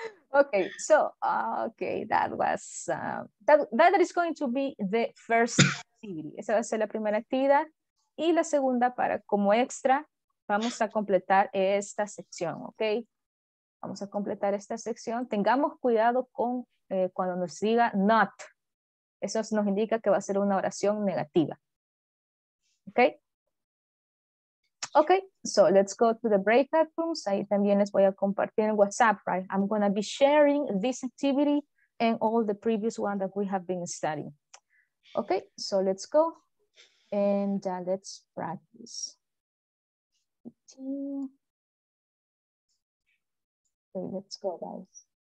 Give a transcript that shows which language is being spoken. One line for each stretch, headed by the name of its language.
English: Ok, so, ok, that was, that is going to be the first activity.
Spanish: Esa va a ser la primera actividad. Y la segunda, para como extra, vamos a completar esta sección, ¿ok? Vamos a completar esta sección. Tengamos cuidado con cuando nos diga not. Eso nos indica que va a ser una oración negativa. ¿Ok?
English: Ok, so let's go to the breakout rooms.
Spanish: Ahí también les voy a compartir en WhatsApp, right?
English: I'm going to be sharing this activity and all the previous one that we have been studying. Ok, so let's go. And let's practice. Okay, let's go, guys.